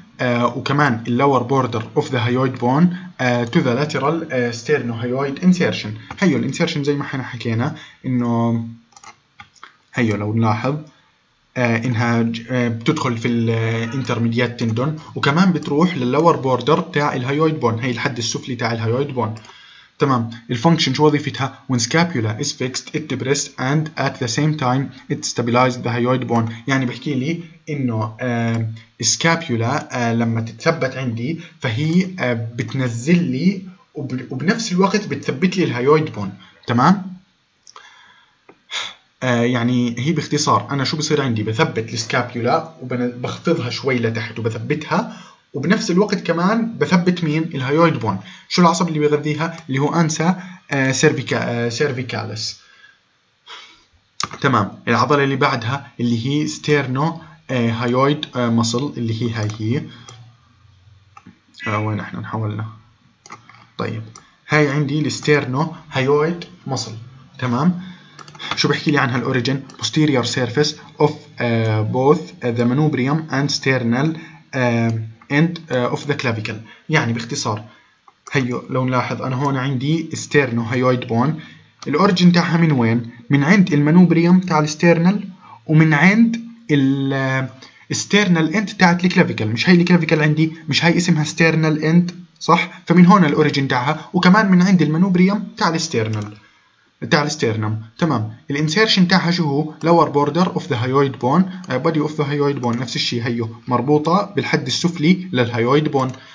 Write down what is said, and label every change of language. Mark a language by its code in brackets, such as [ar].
[ar] وكمان [en] اللور border of the hyoid bone to the lateral sternohyoid insertion. [ar] هيو الانسيرشن زي ما احنا حكينا انه هيو لو نلاحظ انها بتدخل في الانترميديات تندون وكمان بتروح لللور بوردر تاع الهيويد بون، هي الحد السفلي تاع الهيويد بون. تمام. الفانكشن شو وظيفتها؟ [en] when scapula is fixed it depresses and at the same time it stabilizes the hyoid bone. [ar] يعني بحكي لي انه scapula لما تتثبت عندي فهي بتنزل لي وبنفس الوقت بتثبت لي الهيويد بون. تمام. يعني هي باختصار انا شو بصير عندي، بثبت الscapula وبخفضها شوي لتحت وبثبتها، وبنفس الوقت كمان بثبت مين؟ الهيويد بون. شو العصب اللي بيغذيها؟ اللي هو انسا سيرفيكالس. تمام. العضلة اللي بعدها اللي هي ستيرنو هيويد مصل اللي هي هاي هي وين احنا نحولنا. طيب هاي عندي الستيرنو هيويد مصل. تمام. شو بحكي لي عنها؟ الاوريجين [en] posterior surface of both the manubrium and sternal end of the clavicle. [ar] يعني باختصار هيو لو نلاحظ انا هون عندي سترنو هيويد بون، الاوريجين تاعها من وين؟ من عند المانوبريوم تاع الاسترنال ومن عند الاسترنال اند تاعت الكلافيكل. مش هاي الكلافيكل عندي، مش هاي اسمها سترنال اند صح؟ فمن هون الاوريجين تاعها، وكمان من عند المانوبريوم تاع الاسترنال تاع الاسترنم. تمام. الانسيرشن تاعها شو هو؟ [en] lower border of the hyoid bone body of the hyoid bone. [ar] نفس الشيء هيو مربوطة بالحد السفلي للهيويد بون.